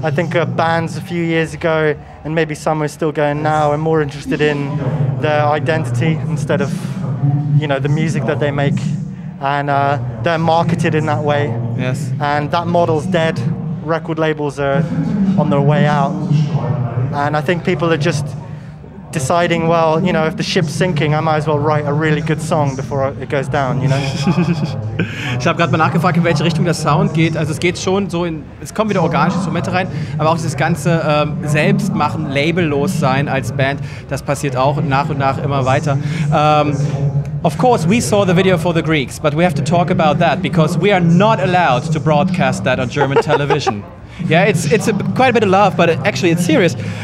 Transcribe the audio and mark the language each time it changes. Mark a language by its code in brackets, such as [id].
[en] I think bands a few years ago, and maybe some are still going now, are more interested in their identity instead of, you know, the music that they make. And they're marketed in that way. Yes. And that model's dead. Record labels are on their way out. And I think people are just deciding, well, you know, if the ship's sinking, I might as well write a really good song before it goes down, you know? [de] Ich habe gerade mal nachgefragt, in welche Richtung der Sound geht. Also es geht schon so in, es kommen wieder organische Instrumente rein, aber auch dieses ganze Selbstmachen, labellos sein als Band, das passiert auch nach und nach immer weiter. [en] Of course, we saw the video for the Greeks, but we have to talk about that because we are not allowed to broadcast that on German television. Yeah, it's a, quite a bit of love, but actually it's serious.